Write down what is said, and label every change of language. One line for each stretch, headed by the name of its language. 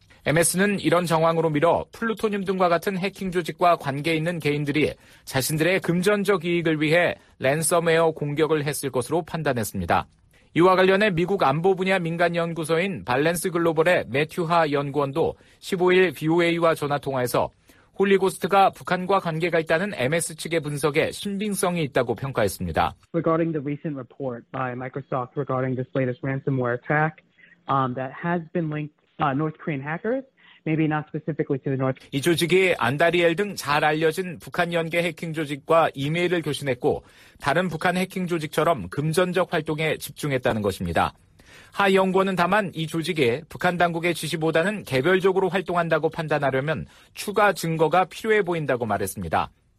Korean: MS는 이런 정황으로 미뤄 플루토늄 등과 같은 해킹 조직과 관계 있는 개인들이 자신들의 금전적 이익을 위해 랜섬웨어 공격을 했을 것으로 판단했습니다. 이와 관련해 미국 안보 분야 민간연구소인 발렌스 글로벌의 매튜하 연구원도 15일 VOA와 전화통화에서 홀리고스트가 북한과 관계가 있다는 MS 측의 분석에 신빙성이 있다고 평가했습니다.
English: Regarding the recent report by Microsoft regarding this latest ransomware attack that has been linked North Korean hackers, maybe not specifically to the North.
Korean: 이 조직이 안다리엘 등 잘 알려진 북한 연계 해킹 조직과 이메일을 교신했고 다른 북한 해킹 조직처럼 금전적 활동에 집중했다는 것입니다. 하 연구원은 다만 이 조직이 북한 당국의 지시보다는 개별적으로 활동한다고 판단하려면 추가 증거가 필요해 보인다고 말했습니다.